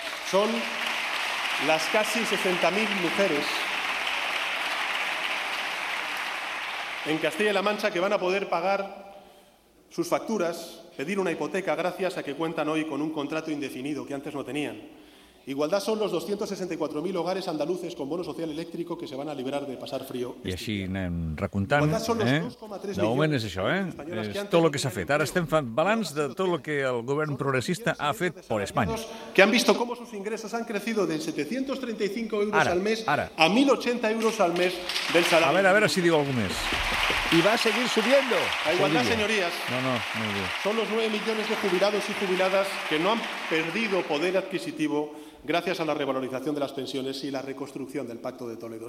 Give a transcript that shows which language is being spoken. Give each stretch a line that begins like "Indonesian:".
Spanish: Son las casi 60.000 mujeres en Castilla-La Mancha que van a poder pagar sus facturas, pedir una hipoteca gracias a que cuentan hoy con un contrato indefinido que antes no tenían. Igualdad son los 264.000 hogares andaluces con bono social eléctrico que se van a librar de pasar frío.
Catalan: I així anem recomptant. De moment és això, eh? És tot el que s'ha fet. Ara estem fent balanç de tot el que el govern progressista ha fet per Espanya.
Spanish: Que han visto cómo sus ingresos han crecido de 735 euros al mes a 1.080 euros al mes del salario.
Catalan: A veure si diu algú més.
Spanish: y va a seguir subiendo. La igualdad, señorías, son los 9 millones de jubilados y jubiladas que no han perdido poder adquisitivo gracias a la revalorización de las pensiones y la reconstrucción del Pacto de Toledo.